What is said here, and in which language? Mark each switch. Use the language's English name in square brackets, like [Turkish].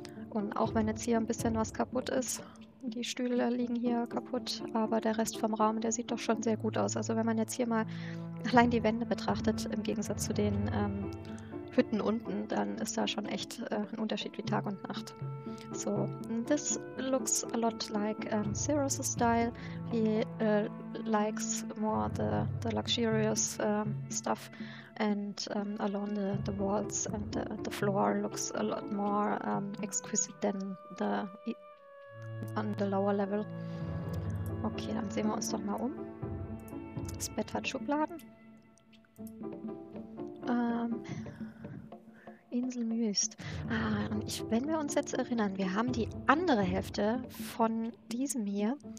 [German] Und auch wenn jetzt hier ein bisschen was kaputt ist, die Stühle liegen hier kaputt, aber der Rest vom Raum, der sieht doch schon sehr gut aus. Also wenn man jetzt hier mal allein die Wände betrachtet, im Gegensatz zu den Hütten unten, dann ist da schon echt ein Unterschied wie Tag und Nacht. [English] So, this looks a lot like Cirrus' style. He likes more the luxurious stuff, and along the walls and the floor looks a lot more exquisite than the on the lower level. [German] Okay, dann sehen wir uns doch mal um. Das Bett hat Schubladen. Insel Myst. Ah, und wenn wir uns jetzt erinnern, wir haben die andere Hälfte von diesem hier.